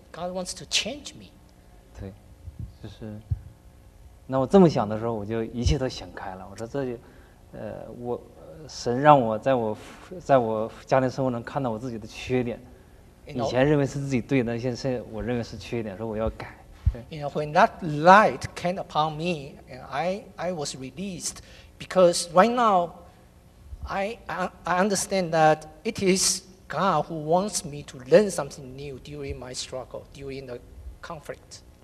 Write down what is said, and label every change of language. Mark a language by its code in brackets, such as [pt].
[en] God wants to change me. [zh] 对，就是，那我这么想的时候，我就一切都想开了。我说这就，我神让我在我在我家庭生活中看到我自己的缺点。以前认为是自己对的，现在我认为是缺点，说我要改。 [en] You know, when that light came upon me, I was released because right now I understand that it is God who wants me to learn something new during my struggle, during the conflict.